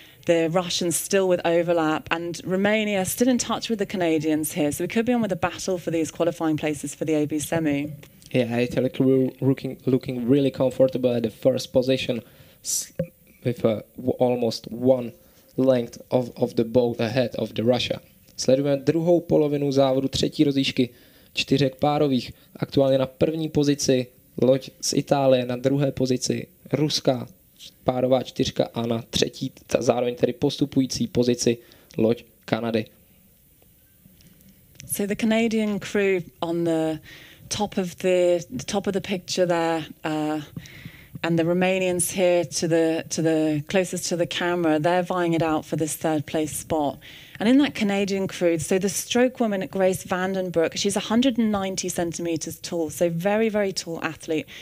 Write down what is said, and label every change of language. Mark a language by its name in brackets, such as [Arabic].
[English] The Russians still with overlap, and Romania still in touch with the Canadians here. So we could be on with a battle for these qualifying places for the AB semi. Yeah, Italy crew looking really comfortable at the first position with almost one length of the boat ahead of the Russia. [Czech] Sledujeme druhou polovinu závodu třetí rozjížky čtyřek párových. Aktuálně na první pozici loď z Itálie, na druhé pozici ruská párová čtyřka a na třetí, zároveň tedy postupující pozici, loď Kanady. [English] So the Canadian crew on the top of the top of the picture there, and the Romanians here to the closest to the camera, they're vying it out for this third place spot. And in that Canadian crew, so the stroke woman, Grace Vandenbroek, she's 190 centimeters tall, so very, very tall athlete.